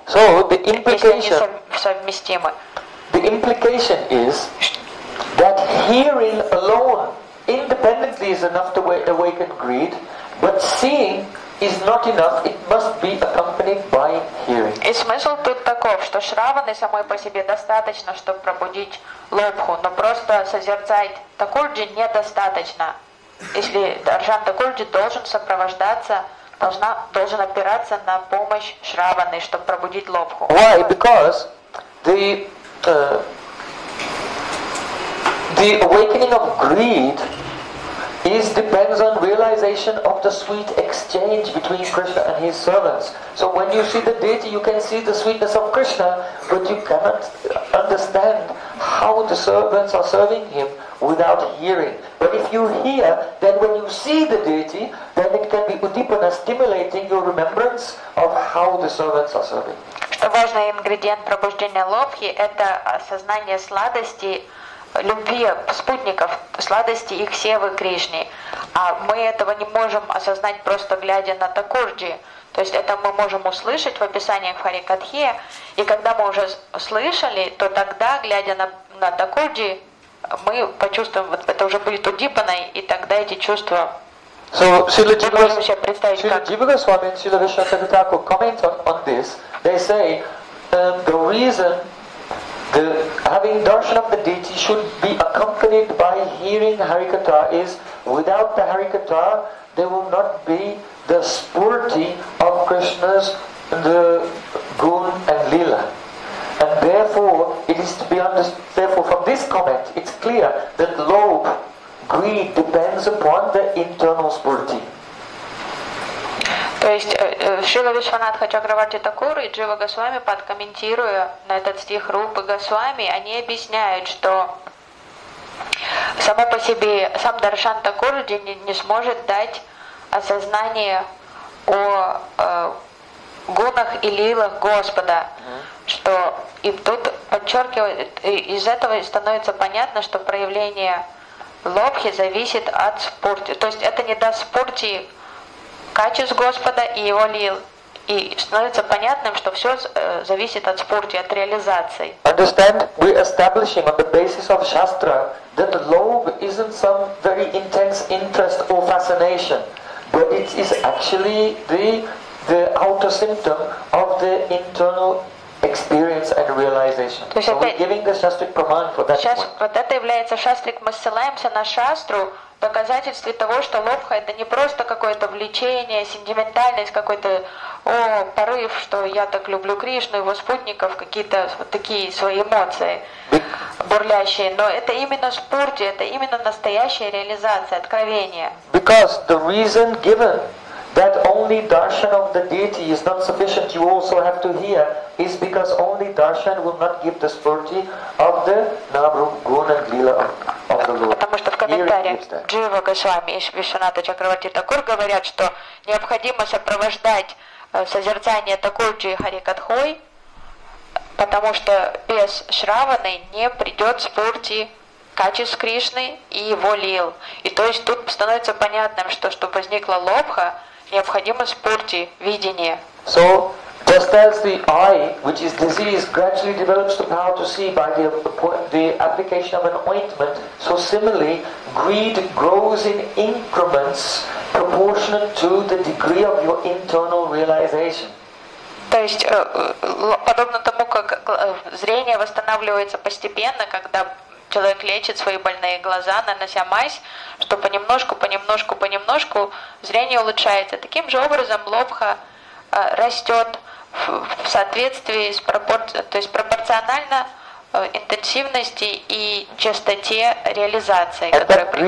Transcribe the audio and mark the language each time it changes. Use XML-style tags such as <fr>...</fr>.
<en>So the implication,</en> <ru>если они совместимы.</ru> <en>The implication is that hearing alone independently is enough to awaken greed, but seeing is not enough. It must be accompanied by hearing.</en> <ru>И смысл тут таков, что шраваны самой по себе достаточно, чтобы пробудить лобху, но просто созерцать такурджи недостаточно. Если даршан такурджи должен сопровождаться, должен опираться на помощь шраваны, чтобы пробудить лобху.</ru> <en>Why? Because the awakening of greed is the realization of the sweet exchange between Krishna and his servants. So when you see the deity, you can see the sweetness of Krishna, but you cannot understand how the servants are serving him without hearing. But if you hear, then when you see the deity, then it can be Uddipana stimulating your remembrance of how the servants are serving.</en> <ru>Что важный ингредиент пробуждения лобхи – это осознание сладости, любви спутников, сладости их севы Кришне. А мы этого не можем осознать, просто глядя на Такурджи. То есть это мы можем услышать в описаниях в Харикатхе. И когда мы уже слышали, то тогда, глядя на Такурджи, мы почувствуем, вот это уже будет удипанной, и тогда эти чувства...</ru> <en>So, Srila Jiva Goswami and Srila Vishnu Thakur comment on this. They say, the reason the having darshan of the deity should be accompanied by hearing Harikatha is, without the Harikatha, there will not be the spurti of Krishna's the gun and lila. And therefore, it is to be understood, therefore from this comment, it's clear that lobh, greed depends upon the internal spurti.</en> <ru>То есть Шрила Вишванатха Чакраварти Такур и Джива Госвами, подкомментируя на этот стих Рупы Госвами, они объясняют, что само по себе сам Даршан Такурджи не сможет дать осознание о гунах и лилах Господа. Что и тут подчеркивает, из этого становится понятно, что проявление лобхи зависит от спурти. То есть это не даст спурти качеств Господа и его лил. И становится понятным, что все зависит от спурти, от реализации.</ru> <en>Understand? We're establishing on the basis of Shastra that lobh isn't some very intense interest or fascination, but it is actually the outer symptom of the internal experience and realization.</en> <ru>То есть</ru> <en>so we're giving the Shastric Praman for that</en> <ru>сейчас</ru> <en>point.</en> <ru>Вот это является Shastric, мы ссылаемся на Shastru, доказательстве того, что лобха это не просто какое-то влечение, сентиментальность, какой-то порыв, что я так люблю Кришну, его спутников, какие-то вот такие свои эмоции бурлящие, но это именно спурти, это именно настоящая реализация, откровение.</ru> <en>Because the reason given that only darshan of the deity is not sufficient, you also have to hear, is because only darshan will not give the spurti of the namrup, guna and lila of the Lord.</en> <ru>Потому что в комментариях Джива Госвами и Вишванатха Чакраварти Такур говорят, что необходимо сопровождать созерцание Такурджи Харикатхой, потому что без Шраваны не придет спурти качеств Кришны и его лил. И то есть тут становится понятным, что чтобы возникла лобха, необходимо спурти, видение.</ru> <en>So, just as the eye, which is disease, gradually develops the power to see by the application of an ointment, so similarly, greed grows in increments proportionate to the degree of your internal realization.</en> <ru>То есть, подобно тому, как зрение восстанавливается постепенно, когда человек лечит свои больные глаза, нанося мазь, что понемножку зрение улучшается. Таким же образом лобха растет в соответствии с пропорционально интенсивности и частоте реализации, которая</ru>